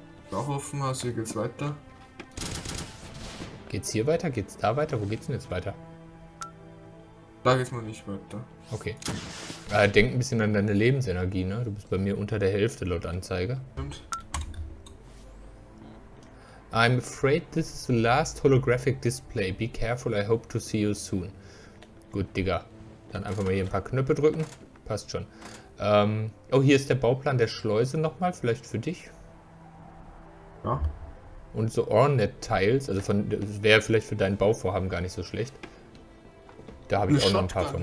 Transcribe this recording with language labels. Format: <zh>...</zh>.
<de>Doch offen, also hier geht's weiter. Geht's hier weiter? Geht's da weiter? Wo geht's denn jetzt weiter? Da geht's mal nicht weiter. Okay. Denk ein bisschen an deine Lebensenergie, ne? Du bist bei mir unter der Hälfte laut Anzeige. Stimmt.</de> <en>I'm afraid this is the last holographic display. Be careful, I hope to see you soon.</en> <de>Gut, Digga. Dann einfach mal hier ein paar Knöpfe drücken. Passt schon. Oh, hier ist der Bauplan der Schleuse nochmal, vielleicht für dich. Ja. Und so Ornette-Tiles, also von, das wäre vielleicht für dein Bauvorhaben gar nicht so schlecht. Da habe ich auch Shotgun noch ein paar von.</de>